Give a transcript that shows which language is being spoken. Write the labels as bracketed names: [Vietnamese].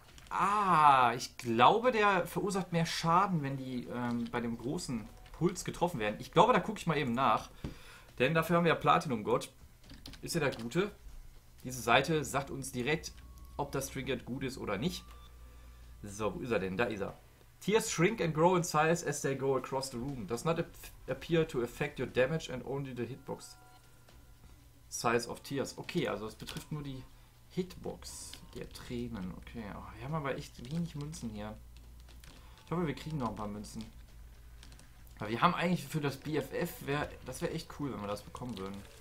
[German] Ah, ich glaube, der verursacht mehr Schaden, wenn die bei dem großen Puls getroffen werden. Ich glaube, da gucke ich mal eben nach. Denn dafür haben wir ja Platinum Gott. Ist ja der Gute. Diese Seite sagt uns direkt, ob das Trinket gut ist oder nicht. So, wo ist er denn? Da ist er. [English] Tears shrink and grow in size as they go across the room. Does not appear to affect your damage and only the hitbox size of tears. [German] Okay, also es betrifft nur die Hitbox der Tränen. Okay, oh, wir haben aber echt wenig Münzen hier. Ich hoffe, wir kriegen noch ein paar Münzen. Aber wir haben eigentlich für das BFF, das wäre echt cool, wenn wir das bekommen würden.